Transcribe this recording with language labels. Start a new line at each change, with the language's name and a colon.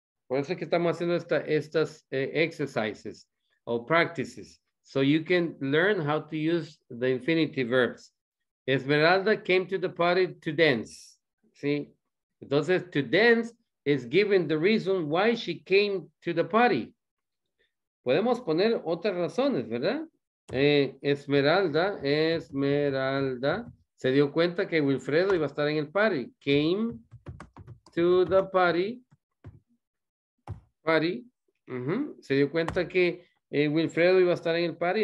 Spanish: Por eso es que estamos haciendo estas
English: exercises or practices. So you can learn how to use the infinitive verbs. Esmeralda came to the party to dance.
Spanish: ¿Sí?
English: Entonces, to dance is given the reason why she came to the party.
Spanish: Podemos poner otras razones, ¿verdad? Esmeralda se dio cuenta que Wilfredo iba a estar en el party.
English: Came to the party.
Spanish: Uh-huh. Se dio cuenta que Wilfredo iba a estar en el party.